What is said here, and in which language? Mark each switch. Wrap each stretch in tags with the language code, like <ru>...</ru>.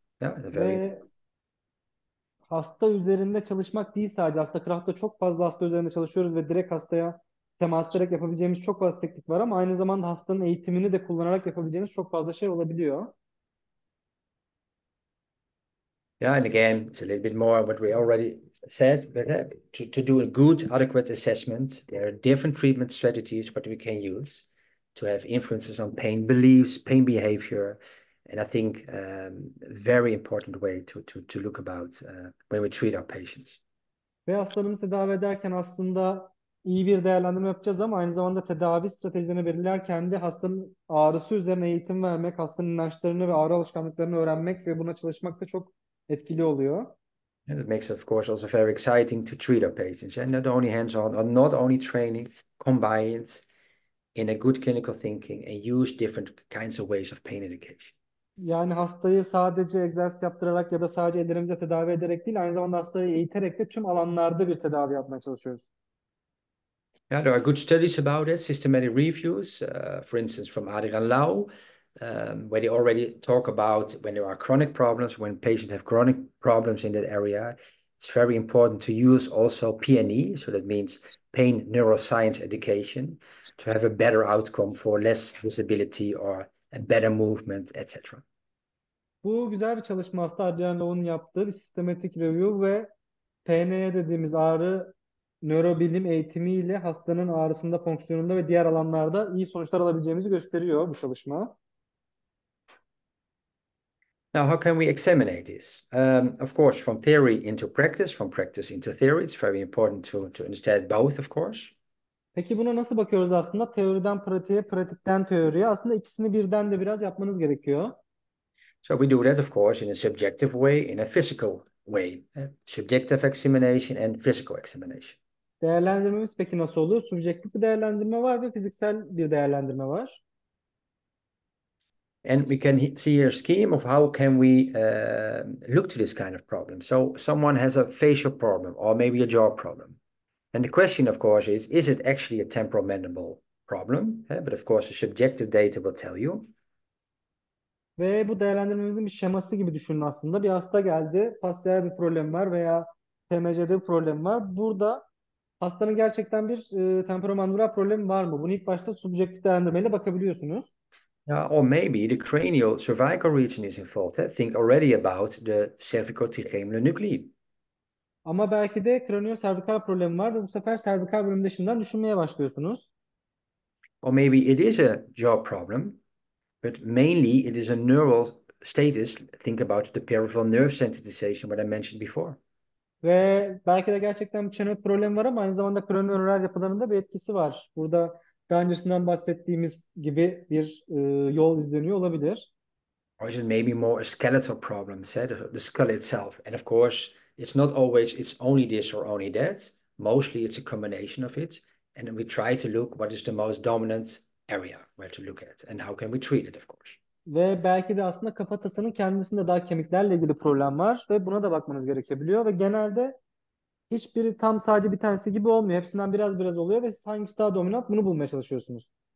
<en>Yeah, it's a very</en> <tr>Ve hasta üzerinde çalışmak değil sadece. Aslında Craft'ta çok fazla hasta üzerinde çalışıyoruz ve direkt hastaya temas ederek yapabileceğimiz çok fazla teknik var ama aynı zamanda hastanın eğitimini de kullanarak yapabileceğiniz çok fazla şey olabiliyor.</tr> <en>Yeah, and again, it's a little bit more what we already said, but to do a good, adequate assessment, there are different treatment strategies what we can use to have influences on pain beliefs, pain behavior, and I think very important way to look about when we treat our patients.</en> <tr>Ve hastalarımızı tedavi ederken aslında iyi bir değerlendirme yapacağız ama aynı zamanda tedavi stratejilerini belirlerken de hastanın ağrısı üzerine eğitim vermek, hastanın inançlarını ve ağrı alışkanlıklarını öğrenmek ve buna çalışmak da çok etkili oluyor.</tr> <en>And it makes it, of course, also very exciting to treat our patients. And not only hands-on, and not only training, combined in a good clinical thinking and use different kinds of ways of pain education.</en> <tr>Yani hastayı sadece egzersiz yaptırarak ya da sadece ellerimize tedavi ederek değil, aynı zamanda hastayı eğiterek de tüm alanlarda bir tedavi yapmaya çalışıyoruz.</tr> <en>Yeah, there are good studies about it, systematic reviews, for instance, from Adrian Lau. Where they already talk about when there are chronic problems, when patients have chronic problems in that area, it's very important to use also PNE, so that means pain neuroscience education, to have a better outcome for less disability or a better movement, etc.</en> <tr>Bu güzel bir çalışma aslında Adrian Lau'nun yaptığı bir sistematik review ve PNE dediğimiz ağrı nörobilim eğitimiyle hastanın ağrısında, fonksiyonunda ve diğer alanlarda iyi sonuçlar alabileceğimizi gösteriyor bu çalışma.</tr> <en>Now, how can we examine this? Of course, from theory into practice, from practice into theory. It's very important to understand both, of course.</en> <tr>Peki buna nasıl bakıyoruz aslında? Teoriden pratiğe, pratikten teoriye. Aslında ikisini birden de biraz yapmanız gerekiyor.</tr> <en>So we do that, of course, in a subjective way, in a physical way. Subjective examination and physical examination.</en> <tr>Değerlendirmemiz peki nasıl oluyor? Subjektif bir değerlendirme var ve fiziksel bir değerlendirme var.</tr> <en>And we can see a scheme of how can we look to this kind of problem. So someone has a facial problem or maybe a jaw problem. And the question, of course, is it actually a temporal mandible problem? But of course, the subjective data will tell you.</en> <tr>Ve bu değerlendirmemizin bir şeması gibi düşünün aslında. Bir hasta geldi, fasciyel bir problem var veya TMJ'de bir problem var. Burada hastanın gerçekten bir temporomandibular problemi var mı? Bunu ilk başta subjektif değerlendirmeyle bakabiliyorsunuz.</tr> <en>Or maybe the cranial cervical region is involved. Think already about the cervical trigeminal nuclei.</en> <tr>Ama belki de kraniyo-servikal problemi var ve bu sefer servikal bölümde şimdiden düşünmeye başlıyorsunuz.</tr> <en>Or maybe it is a jaw problem, but mainly it is a neural status. Think about the peripheral nerve sensitization, what I mentioned before.</en> <tr>Ve belki de gerçekten bir çene problemi var ama aynı zamanda kronoöral yapılarında bir etkisi var. Burada daha öncesinden bahsettiğimiz gibi bir yol izleniyor olabilir.</tr> <en>Or is it maybe more a skeletal problem, say the skull itself? And of course, it's not always it's only this or only that. Mostly it's a combination of it. And then we try to look what is the most dominant area where to look at and how can we treat it, of course.</en> <tr>Ve belki de aslında kafatasının kendisinde daha kemiklerle ilgili problem var ve buna da bakmanız gerekebiliyor. Ve genelde hiçbiri tam sadece bir tanesi gibi olmuyor. Hepsinden biraz biraz oluyor ve siz hangisi daha dominant bunu bulmaya çalışıyorsunuz.</tr>